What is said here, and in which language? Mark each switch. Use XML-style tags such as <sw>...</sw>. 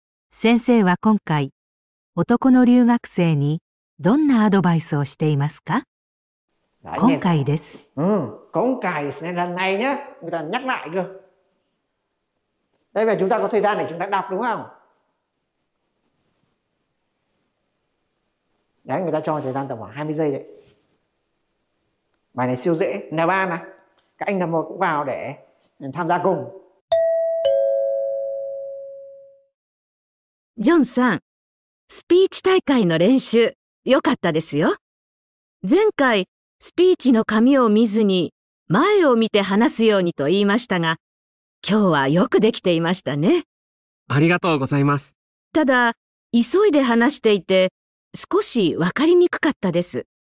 <ja>Sensei wa konkai 男の留学生にどんなアドバイスをしていますか? 今回です。今回ですね。</ja> <vi>lần này nhé. Người ta nhắc lại cơ. Đây là chúng ta có thời gian để chúng ta đọc đúng không? Đấy, người ta cho thời gian tầm khoảng 20 giây đấy. Bài này siêu dễ, nào ba mà. Các anh tập 1 cũng vào để tham gia cùng.</vi> <ja>John-san, スピーチ大会の練習、良かったですよ。前回 スピーチの紙を見ずに前を見て話すようにと言いましたが、今日はよくできていましたね。ありがとうございます。ただ、急いで話していて少し分かりにくかったです。</ja>